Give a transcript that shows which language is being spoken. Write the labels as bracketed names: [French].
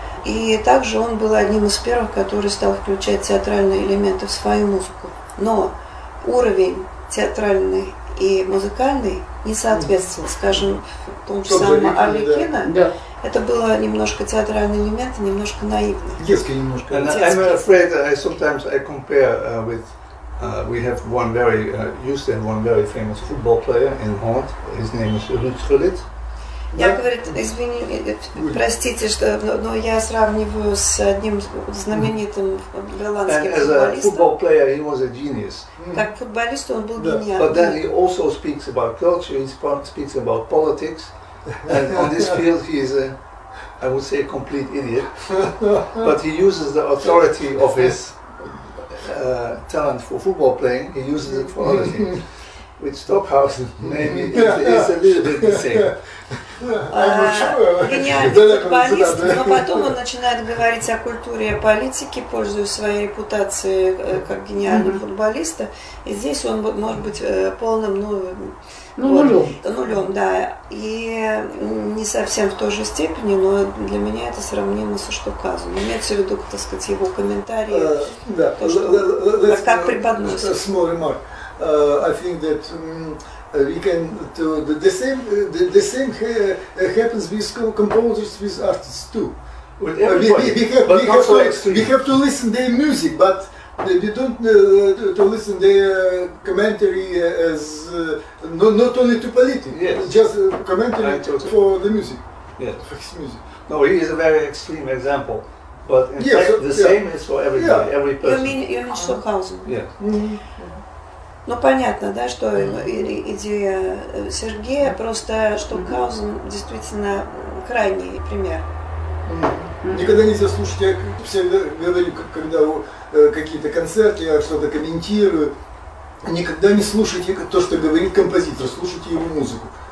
[Russian] И также он был одним из первых, который стал включать театральные элементы в свою музыку. Но уровень театральный и музыкальный не соответствовал, скажем, тому же самому Арлекино. Это было немножко театральный элемент, немножко наивный. Детский немножко. [English] I'm afraid I sometimes I compare with we have one very used and one very famous football player in Holland. His name is Ruud Gullit. [Russian] Я, говорит, извини, простите, что, но я сравниваю с одним знаменитым голландским футболистом. Как футболист, он был гениальным. [English] But then he also speaks about culture, he speaks about politics, and on this field he is I would say, a complete idiot. But he uses the authority of his talent for football playing, he uses it for other things. With Stockhausen, maybe it's a little bit the same. [Russian] Гениальный футболист, но потом он начинает говорить о культуре и о политике, пользуясь своей репутацией как гениального футболиста. И здесь он может быть полным нулем, да. И не совсем в той же степени, но для меня это сравнимо со Штокхаузеном. Имеется в виду, так сказать, его комментарии, то, что как преподносит. [English] I think that we can to the same happens with composers with artists too. We have to listen their music, but we don't to listen their commentary as not only to politics, just commentary for the music. Yes, music. No, he is a very extreme example. But in fact, so, the same is for everybody, every person. You mean Stockhausen? Yes. [Russian] Ну, понятно, да, что идея Сергея, просто Штокхаузен действительно крайний пример. Никогда нельзя слушать, я всегда говорю, когда какие-то концерты, я что-то комментирую, никогда не слушайте то, что говорит композитор, слушайте его музыку.